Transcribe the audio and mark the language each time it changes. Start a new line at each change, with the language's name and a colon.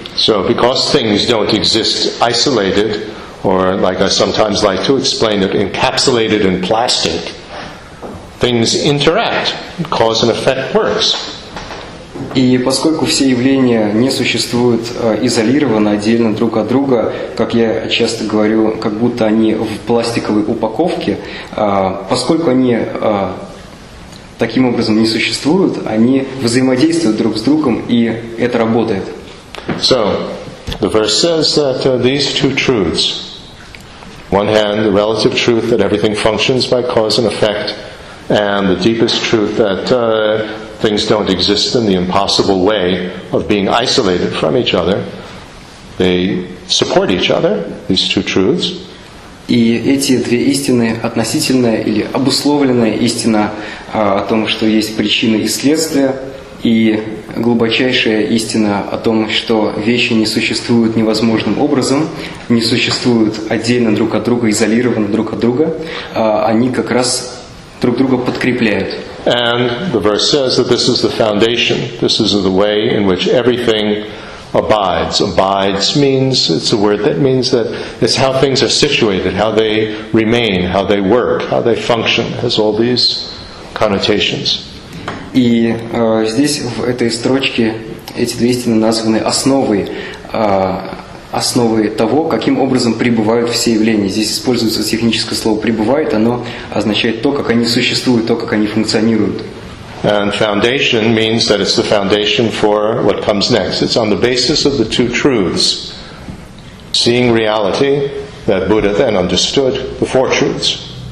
English: So, because things don't exist isolated, or like I sometimes like to explain it, encapsulated in plastic, things interact, cause and effect works.
Russian: И поскольку все явления не существуют изолированно, отдельно друг от друга, как я часто говорю, как будто они в пластиковой упаковке, поскольку они таким образом не существуют, они взаимодействуют друг с другом, и это работает.
English: So, the verse says that these two truths, one hand, the relative truth that everything functions by cause and effect, and the deepest truth that things don't exist in the impossible way of being isolated from each other. They support each other, these two truths.
Russian: И эти две истины, относительная или обусловленная истина о том, что есть причины и следствия, и глубочайшая истина о том, что вещи не существуют невозможным образом, не существуют отдельно друг от друга, изолированно друг от друга, они как раз друг друга подкрепляют.
English: And the verse says that this is the foundation. This is the way in which everything abides. Abides means, it's a word that means that it's how things are situated, how they remain, how they work, how they function. It has all these connotations.
Russian: И здесь, в этой строчке, эти две истины названы основой. Основы того, каким образом пребывают все явления. Здесь используется техническое слово «пребывает», оно означает то, как они существуют, то, как они функционируют.
English: And foundation means that it's the foundation for what comes next. It's on the basis of the two truths. Seeing reality that Buddha then understood the four truths.